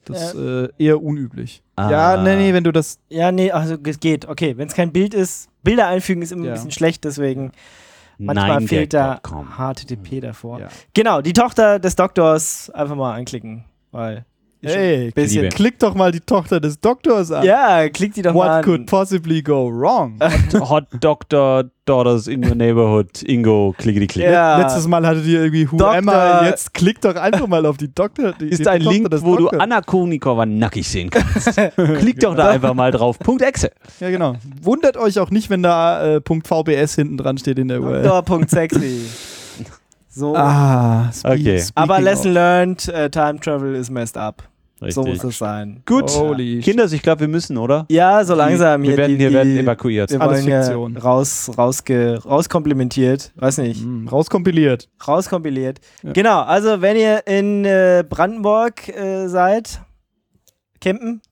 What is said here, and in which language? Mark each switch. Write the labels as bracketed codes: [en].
[de] Das ist eher unüblich. Ah. Ja, nee, wenn du das... Ja, nee, also es geht. Okay, wenn es kein Bild ist, Bilder einfügen ist immer ein bisschen schlecht, deswegen manchmal fehlt da HTTP davor. Ja. Genau, die Tochter des Doktors einfach mal anklicken, weil... Hey, klick doch mal die Tochter des Doktors an. Ja, klick die doch [en] What [de] mal an. [en] What could possibly go wrong? Hot Doctor Daughters in your neighborhood. [de] Ingo, klickety-klick. Ja. Letztes Mal hattet ihr irgendwie Who Doktor. Am I? Jetzt klick doch einfach mal auf die Doktor. Die, ist ein Link, wo du Anna Kournikova nackig sehen kannst. Klick doch da einfach mal drauf. Punkt .exe. Ja, genau. Wundert euch auch nicht, wenn da Punkt .vbs hinten dran steht in der URL. Doktor Punkt .sexy. So. Ah, okay. Aber [en] lesson learned, time travel is messed up. [de] Richtig. So muss es sein. Gut, Kinders, ich glaube, wir müssen, oder? Ja, so langsam. Wir werden evakuiert. Wir wollen rauskomplimentiert, weiß nicht. Rauskompiliert. Rauskompiliert. Ja. Genau, also wenn ihr in Brandenburg seid, campen.